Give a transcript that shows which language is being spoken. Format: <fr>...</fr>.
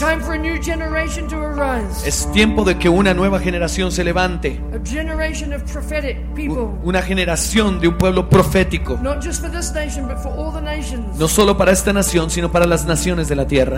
<en>Time for a new generation to arise.</en> <es>Es tiempo de que una nueva generación se levante.</es> <en>A generation of prophetic people.</en> <es>Una generación de un pueblo profético.</es> <en>Not just for this nation, but for all the nations.</en> <es>No solo para esta nación, sino para las naciones de la tierra.</es>